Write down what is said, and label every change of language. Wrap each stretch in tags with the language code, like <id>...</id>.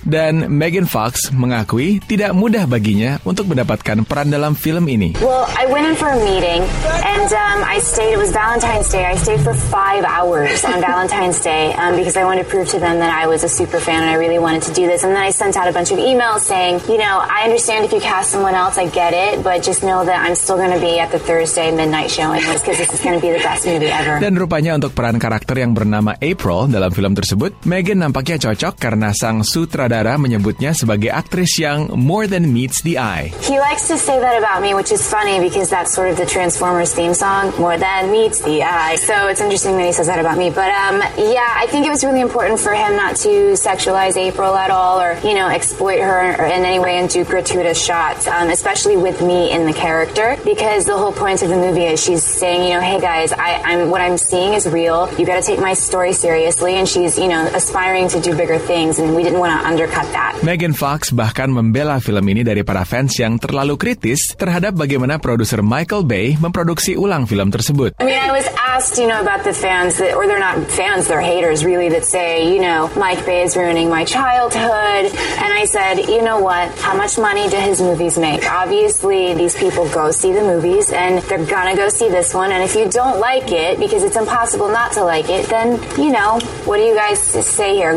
<id>Dan Megan Fox mengakui tidak mudah baginya untuk mendapatkan peran dalam film ini.</id> <en>Well, I went in for a meeting and I stayed, it was Valentine's Day. I stayed for 5 hours on Valentine's Day because I wanted to prove to them that I was a super fan and I really wanted to do this. And then I sent out a bunch of emails saying, you know, I understand if you cast someone else, I get it, but just know that I'm still going to be at the Thursday midnight showing because this is going to be the best movie ever.</en> <id>Dan rupanya untuk peran karakter yang bernama April dalam film tersebut, Megan nampaknya cocok karena sang sutradara menyebutnya sebagai aktris yang</id> <en>more than meets the eye. He likes to say that about me, which is funny because that's sort of the Transformers theme song, more than meets the eye. So it's interesting that he says that about me. But yeah, I think it was really important for him not to sexualize April at all or, you know, exploit her in any way in do gratuitous shots, especially with me in the character. Because the whole point of the movie is she's saying, you know, hey guys, what I'm seeing is real. You got to take my story seriously. And she's, you know, aspiring to do bigger things. And we didn't want to undercut that.</en> <id>Megan Fox bahkan membela film ini dari para fans yang terlalu kritis terhadap bagaimana produser Michael Bay memproduksi ulang film tersebut.</id> <en>I mean, I was asked, you know, about the fans that, or they're not fans, they're haters really, that say, you know, Mike Bay is ruining my childhood. And I said, you know what? How much money do his movies make? Obviously, these people go see the movies and they're gonna go see this one, and if you don't like it, because it's impossible not to like it, then you know, what do you guys say here?</en>